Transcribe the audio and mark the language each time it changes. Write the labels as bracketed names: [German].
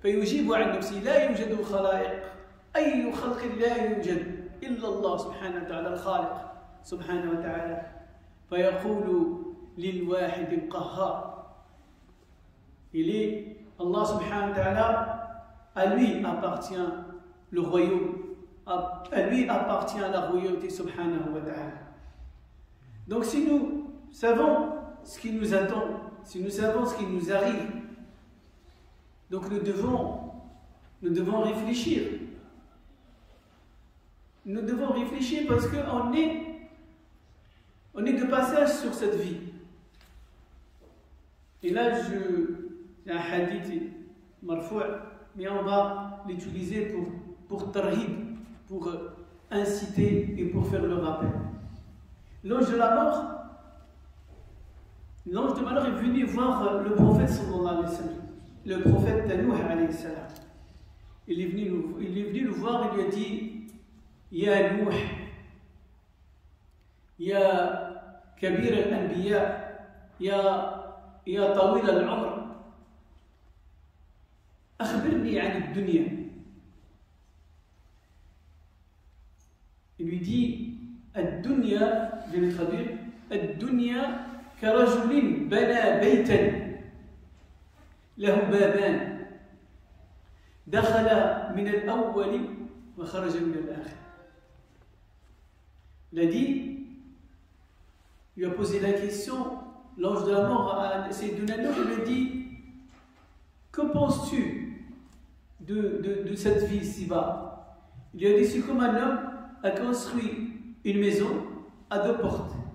[Arabic] فَيُجِيبُ عَنْ نَفْسِهِ لَا يُوجَدُ خَلَائِقُ أي خلق لا يوجد إلا الله سبحانه وتعالى الخالق سبحانه وتعالى فيقول للواحد القهار إلي الله سبحانه وتعالى [French] à lui appartient le royaume à lui appartient la royauté [Arabic] سبحانه وتعالى. [French] Donc si nous savons ce qui nous attend, si nous savons ce qui nous arrive, donc nous devons réfléchir. Nous devons réfléchir parce qu'on est, on est de passage sur cette vie. Et là, il y a un hadith marfou', mais on va l'utiliser pour tarhib, pour inciter et pour faire le rappel. L'ange de la mort est venu voir le prophète sallallahu alayhi wa sallam, le prophète Nuh alayhi salam. Il est venu le voir et lui a dit, [Arabic] يا نوح يا كبير الأنبياء يا طويل العمر أخبرني عن الدنيا. [French] Il lui dit, [Arabic] الدنيا, [French] je vais traduire, [Arabic] الدنيا كرجل بنى بيتا له بابان دخل من الأول وخرج من الآخر. [French] Il a dit, lui a posé la question, l'ange de la mort a essayé de donner un ordre, il lui a dit, que penses-tu de cette vie ici-bas? Il lui a dit, c'est comme un homme a construit une maison à deux portes.